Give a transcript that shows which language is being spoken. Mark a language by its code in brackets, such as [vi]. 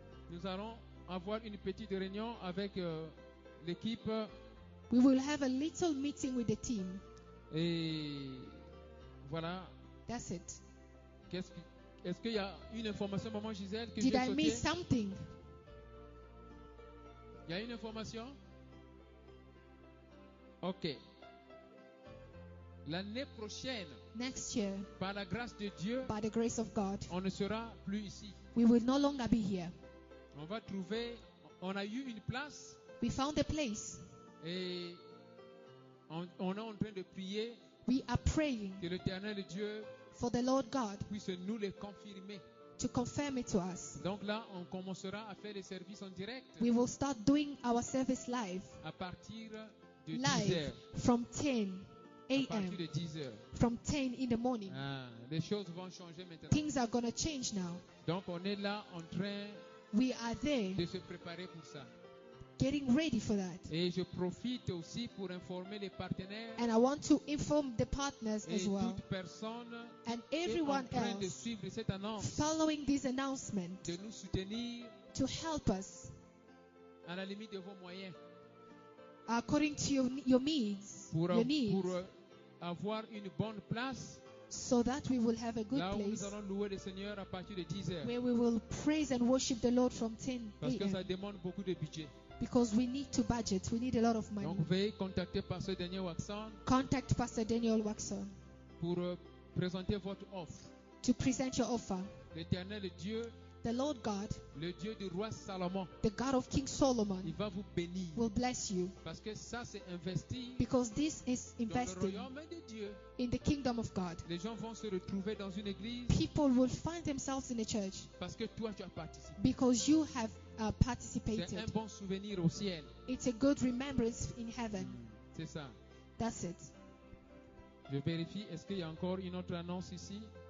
[fr] Nous allons avoir une petite réunion avec l'équipe. [en] We will have a little meeting with the team. [fr] Et voilà. [en] That's it. [fr] Est-ce qu'il y a une information, Maman Gisèle, que [en] did [fr] j'ai [en] I [fr] sauté? [en] Miss something? [fr] Il y a une information? Ok. L'année prochaine, [en] next year, [fr] par la grâce de Dieu, [en] by the grace of God, [fr] on ne sera plus ici. [en] We will no longer be here. [fr] On va trouver, on a eu une place. [en] We found a place. [fr] Et on est en train de prier. [en] We are praying [fr] que l'Éternel Dieu [en] for the Lord God [fr] puisse nous les confirmer. [en] To confirm it to us. [fr] Donc là, on commencera à faire les services en direct. [en] We will start doing our service live. [fr] À partir de [en] live [fr] 10 heures. [en] From 10. [fr] À partir de 10 heures. [en] From 10 in the morning. [fr] Ah, les choses vont changer maintenant. [en] Things are going to change now. [fr] Donc on est là en train, [en] we are there, [fr] de se préparer pour ça. [en] Getting ready for that. [fr] Et je profite aussi pour informer les partenaires. [en] And I want to inform the partners as well. [fr] Et toute personne, [en] and everyone [fr] est en train de suivre cette annonce, [en] following this announcement, [fr] de nous soutenir, [en] to help us, [fr] à la limite de vos moyens. [en] According to your needs, [fr] pour, [en] your needs, [fr] pour avoir une bonne place, [en] so that we will have a good [fr] là [en] place, [fr] là où nous allons louer le Seigneur à partir de 10 heures, [en] where we will praise and worship the Lord from 10 a.m. [fr] Parce que ça demande beaucoup de budget. [en] Because we need to budget, we need a lot of money. [fr] Donc veuillez contacter Pasteur Daniel Waxon. [en] Contact Pasteur Daniel Waxon. [fr] Pour présenter votre offre. [en] To present your offer. [fr] L'Éternel Dieu. [en] The Lord God, [fr] le Dieu du roi Salomon, [en] the God of King Solomon, [fr] il va vous bénir, [en] will bless you, [fr] parce que ça c'est investi, [en] because this is investing in the kingdom of God. [fr] Les gens vont se retrouver dans une église, [en] people will find themselves in a church, [fr] parce que toi tu as participé, [en] because you have participated. [fr] C'est un bon souvenir au ciel. [en] It's a good remembrance in heaven. [fr] C'est ça. [en] That's it. [fr] Je vérifie, est-ce qu'il y a encore une autre annonce ici?